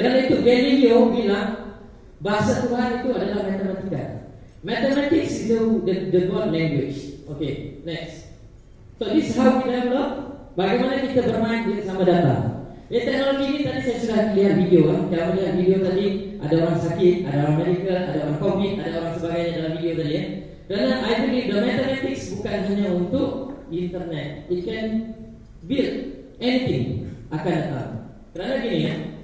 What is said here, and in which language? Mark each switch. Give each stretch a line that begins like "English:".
Indonesian: Karena itu Galileo bilang bahasa Tuhan itu adalah matematika.
English: Mathematics is the God language. Okay, next. So this is how we develop.
Indonesian: Bagaimana kita bermain dengan sama data. Ya, teknologi ini tadi saya sudah lihat video. Kita melihat video tadi, ada orang sakit, ada orang medical, ada orang COVID, ada orang sebagainya dalam video tadi, ya. Karena
English: I believe the mathematics
Indonesian: bukan hanya untuk internet.
English: It can build anything
Indonesian: akan datang. Karena gini, ya.